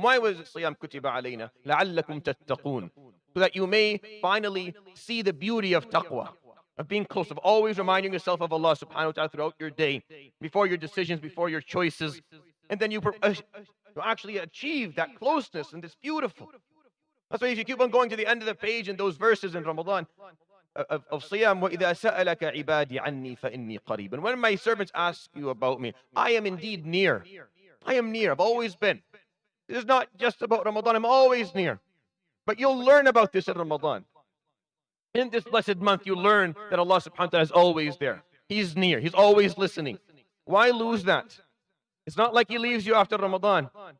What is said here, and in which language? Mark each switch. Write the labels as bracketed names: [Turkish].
[English] Why was it [Arabic] siyam kutiba alayna? La'allakum tattaqoon. [English] So that you may finally see the beauty of taqwa, of being close, of always reminding yourself of Allah subhanahu wa ta'ala throughout your day, before your decisions, before your choices. And then you actually achieve that closeness, and it's beautiful. That's why if you keep on going to the end of the page in those verses in Ramadan, of Siyam, [Arabic] وَإِذَا سَأَلَكَ عِبَادِي عَنِّي فَإِنِّي قَرِيبٌ. [English] When my servants ask you about me, I am indeed near. I am near. I've always been. This is not just about Ramadan. I'm always near. But you'll learn about this in Ramadan. In this blessed month, you learn that Allah subhanahu wa ta'ala is always there. He's near. He's always listening. Why lose that? It's not like He leaves you after Ramadan.